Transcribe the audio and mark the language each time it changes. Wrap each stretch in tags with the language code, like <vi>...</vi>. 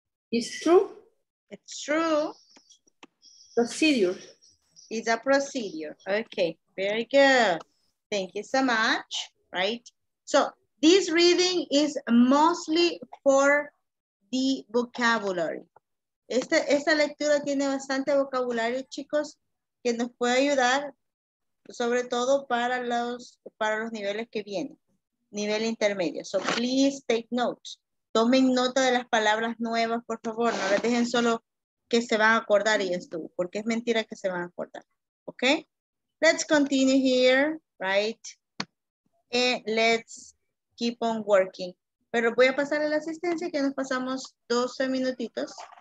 <en>It's true? It's true. Procedure. It's a procedure. Okay, very good. Thank you so much. Right? So, this reading is mostly for the vocabulary.</en> <es>Esta lectura tiene bastante vocabulario, chicos, que nos puede ayudar sobre todo para los niveles que vienen, nivel intermedio.</es> <en>So please take notes.</en> <es>Tomen nota de las palabras nuevas, por favor. No les dejen solo que se van a acordar y estuvo, porque es mentira que se van a acordar.</es> <en>Okay? Let's continue here, right? And let's keep on working,</en> <es>Pero voy a pasar a la asistencia que nos pasamos 12 minutitos.</es>